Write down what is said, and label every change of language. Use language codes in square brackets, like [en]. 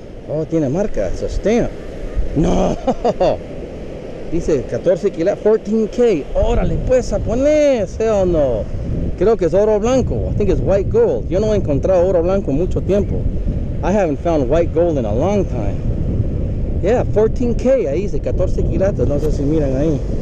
[es] Oh, tiene marca. [en] It's a stamp. [es] No! Dice 14 kilos. 14K. Órale, pues, japonés. [en] Hell no. [es] Creo que es oro blanco. [en] I think it's white gold. [es] Yo no he encontrado oro blanco en mucho tiempo. [en] I haven't found white gold in a long time. [es] Yeah, 14K, ahí dice, 14 kilatos, no sé si miran ahí.